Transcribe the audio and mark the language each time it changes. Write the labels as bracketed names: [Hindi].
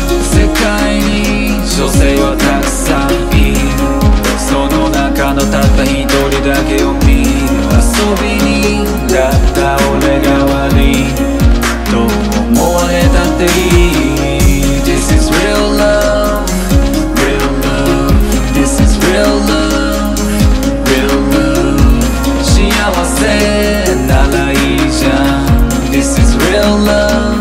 [Japanese] 世界に女性はたくさんいる、その中のたった一人だけを見る。遊び人だった俺が悪い、どう思われたっていい。 [English] This is real love, real love. This is real love, real love. [Japanese] 幸せならいいじゃん。 [English] This is real love.